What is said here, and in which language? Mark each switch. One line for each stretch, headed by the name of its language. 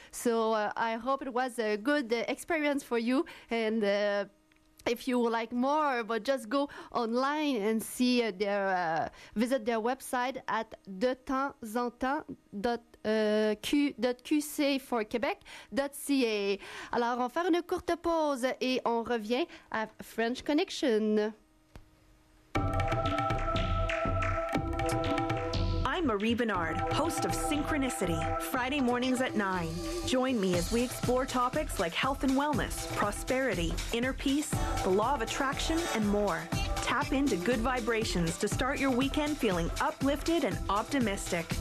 English: So I hope it was a good experience for you. And if you would like more, but just go online and see their visit their website at detemps en temps.qc for Quebec.ca.
French: Alors, on va faire une courte pause et on revient à French Connection.
English: I'm I'm Marie Bernard, host of Synchronicity, Friday mornings at 9. Join me as we explore topics like health and wellness, prosperity, inner peace, the law of attraction, and more. Tap into good vibrations to start your weekend feeling uplifted and optimistic.